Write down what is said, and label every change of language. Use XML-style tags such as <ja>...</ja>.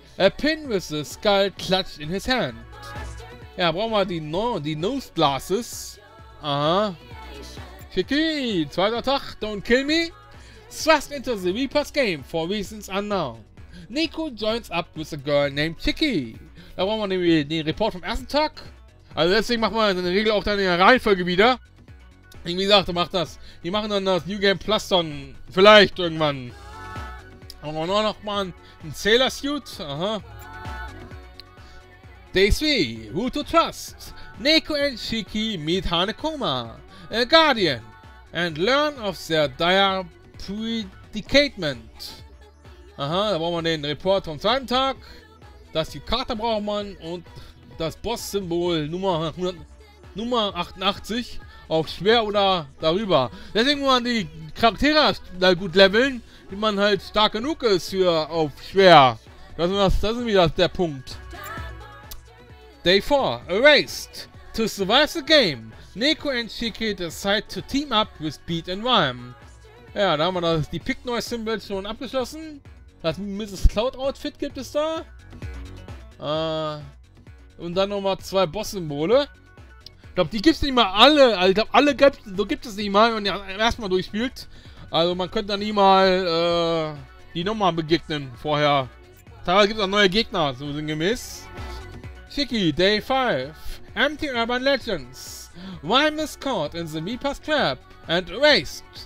<en>A pin with the skull clutched in his hand.</en> <de>Ja, brauchen wir die Nose Glasses.</de> <en>Shiki,</en> <de>zweiter Tag,</de> <en>don't kill me. Thrust into the Reaper's game for reasons unknown. Nico joins up with a girl named Chiki.</en> <de>Da brauchen wir den Report vom ersten Tag. Also deswegen machen wir in der Regel auch dann in der Reihenfolge wieder. Wie gesagt, die machen dann das New Game Plus dann vielleicht irgendwann. Dann brauchen wir noch mal einen Sailor Suit.</de> <en>Day 3. Who to trust? Nico and Chiki meet Hanekoma, a guardian, and learn of their dire Predicatement.</en> <de>Da brauchen wir den Report vom zweiten Tag. Das die Karte braucht man und das Boss-Symbol Nummer 88 auf schwer oder darüber. Deswegen muss man die Charaktere da gut leveln, wie man halt stark genug ist für auf schwer. Das ist wieder der Punkt.</de> <en>Day 4. Erased. To survive the game, Neko and Shiki decide to team up with Beat and Rhyme.</en> <de>Ja, da haben wir das, die Pick-Noise-Symbol schon abgeschlossen. Das Mrs. Cloud-Outfit gibt es da. Und dann nochmal zwei Boss-Symbole. Ich glaube, die gibt es nicht mal alle. Also, ich glaube, alle gibt es nicht mal, wenn man erstmal durchspielt. Also, man könnte dann nie mal die nochmal begegnen vorher. Teilweise gibt es auch neue Gegner, so sinngemäß.</de> <en>Chiki, Day 5. Empty Urban Legends. Rhyme is caught in the Meepers Trap and erased.</en>